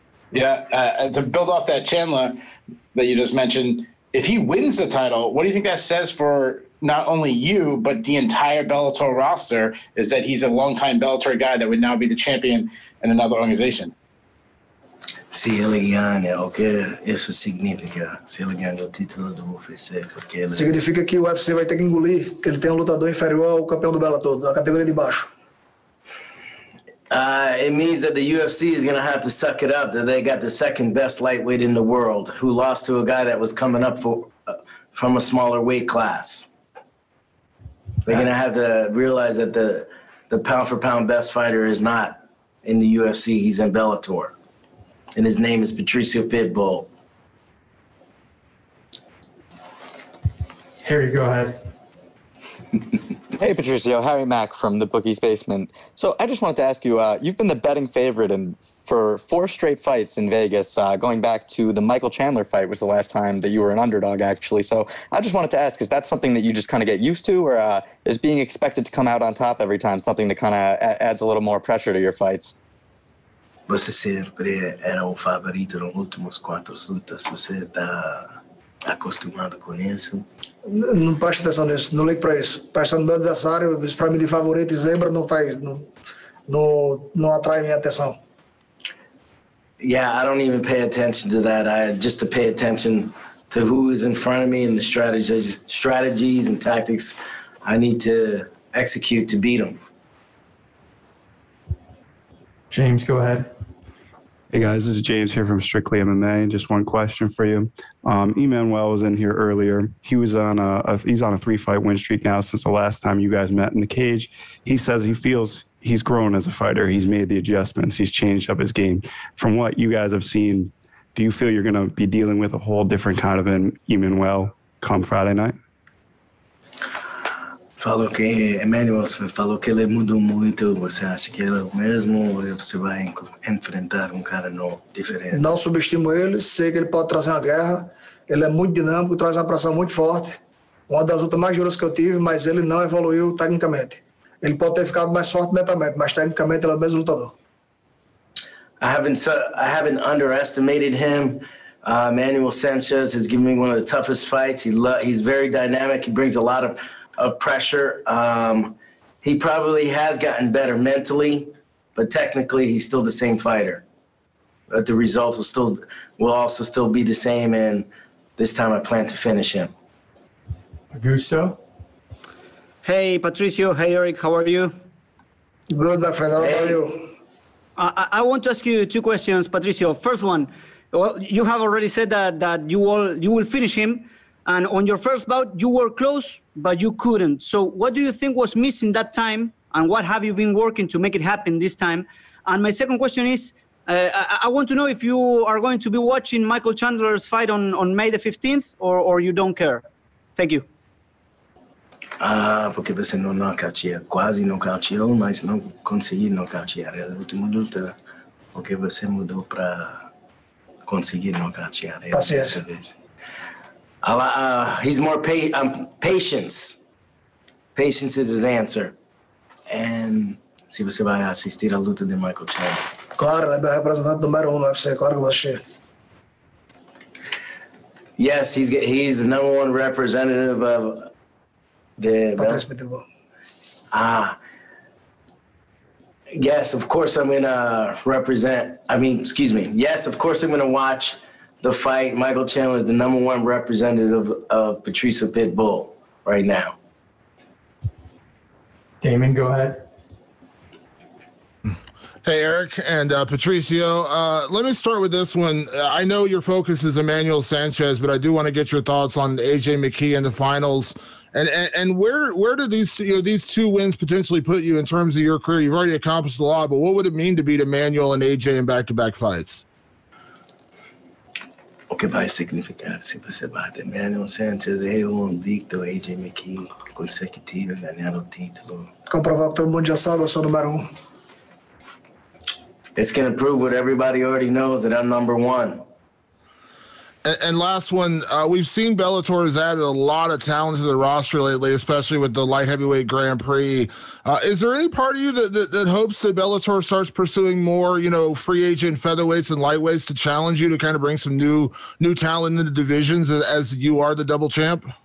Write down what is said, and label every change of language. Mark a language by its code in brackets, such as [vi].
[en] Yeah, to build off that Chandler that you just mentioned. If he wins the title, what do you think that says for not only you, but the entire Bellator roster, is that he's a longtime Bellator guy that would now be the champion in another organization? [pt] Se ele ganha, o que isso significa? Se ele ganha o título do UFC, porque ele... Significa que o UFC vai ter que engolir, que ele tem um lutador inferior ao campeão do Bellator, da categoria de baixo. [en] It means that the UFC is going to have to suck it up, that they got the second best lightweight in the world who lost to a guy that was coming up from a smaller weight class. They're going to have to realize that the pound-for-pound best fighter is not in the UFC. He's in Bellator. And his name is Patricio Pitbull. Harry, go ahead. Hey, Patricio, Harry Mack from the Bookie's Basement. So I just wanted to ask you, you've been the betting favorite for four straight fights in Vegas, going back to the Michael Chandler fight was the last time that you were an underdog, actually. So I just wanted to ask, is that something that you just kind of get used to, or is being expected to come out on top every time something that kind of adds a little more pressure to your fights? [pt] Você sempre era o favorito nos últimos quatro lutas. Você tá acostumado com isso? Não preste atenção nisso, não ligue para isso. Presta no meu adversário, isso para mim de favorito e zebra não faz, não atrai minha atenção. [en] Yeah, I don't even pay attention to that. I just to pay attention to who is in front of me and the strategies and tactics I need to execute to beat them. James, go ahead. Hey guys, this is James here from Strictly MMA. Just one question for you. Emmanuel was in here earlier. He was on a three-fight win streak now since the last time you guys met in the cage. He says he feels he's grown as a fighter. He's made the adjustments. He's changed up his game. From what you guys have seen, do you feel you're going to be dealing with a whole different kind of an Emmanuel come Friday night? [pt] Falou que Emmanuel falou que ele mudou muito. Você acha que ele é o mesmo ou você vai enfrentar cara novo, diferente? Não subestimo ele, sei que ele pode trazer uma guerra. Ele é muito dinâmico, traz uma pressão muito forte. Uma das lutas mais duras que eu tive, mas ele não evoluiu tecnicamente. Ele pode ter ficado mais forte mentalmente, mas tecnicamente ele é o mesmo lutador. [en] I haven't underestimated him. Emmanuel Sanchez has given me one of the toughest fights. He's very dynamic. He brings a lot of pressure. He probably has gotten better mentally, but technically he's still the same fighter. But the result will also still be the same, and this time I plan to finish him. Augusto? Hey, Patricio. Hey, Eric. How are you? Good, my friend. How are you? I want to ask you two questions, Patricio. First one, well, you have already said that you will finish him. And on your first bout, you were close, but you couldn't. So what do you think was missing that time? And what have you been working to make it happen this time? And my second question is, I want to know if you are going to be watching Michael Chandler's fight on May the 15th, or you don't care. Thank you. [pt] Ah, porque você não nocauteou, quase nocauteou, mas não consegui nocautear. É a última luta, porque você mudou para conseguir nocautear. Paciência. [en] He's more patience. Patience is his answer. And [pt] se você vai assistir a luta de Michael Chandler. Claro, ele é meu representante número um no UFC, claro que vou assistir. [en] Yes, he's the number one representative of the Patricio Pitbull. Ah, yes, of course I'm gonna represent. I mean, excuse me. Yes, of course I'm gonna watch the fight. Michael Chandler is the number one representative of Patricio Pitbull right now. Damon, go ahead. Hey, Eric and Patricio, let me start with this one. I know your focus is Emmanuel Sanchez, but I do want to get your thoughts on AJ McKee in the finals. And where do these two, you know, these two wins potentially put you in terms of your career? You've already accomplished a lot, but what would it mean to beat Emmanuel and AJ in back-to-back fights? [pt] O que vai significar se você bate Emmanuel Sanchez, invicto, AJ McKee, consecutivo, ganhar o título? Comprovar que todo mundo já sabe, eu sou número um. [en] It's going to prove what everybody already knows, that I'm number one. And last one, we've seen Bellator has added a lot of talent to the roster lately, especially with the light heavyweight Grand Prix. Is there any part of you that hopes that Bellator starts pursuing more, you know, free agent featherweights and lightweights to challenge you to kind of bring some new talent into the divisions as you are the double champ?